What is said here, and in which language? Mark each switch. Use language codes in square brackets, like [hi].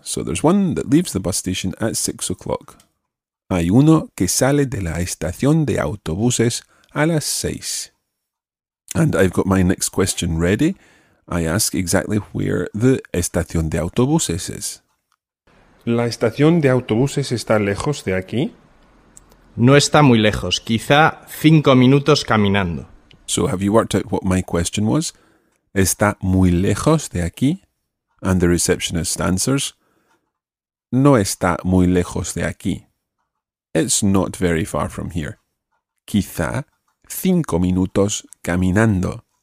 [en] So there's one that leaves the bus station at 6 o'clock. [es] Hay uno que sale de la estación de autobuses a las 6. [en] And I've got my next question ready. I ask exactly where the [es] estación de autobuses [en] is. [es] ¿La estación de autobuses está lejos de aquí? No está muy lejos, quizá 5 minutos caminando. [en] So have you worked out what my question was? [es] ¿Está muy lejos de aquí? [en] And the receptionist answers, [es] no está muy lejos de aquí. [en] It's not very far from here. [es] Quizá 5 minutos caminando.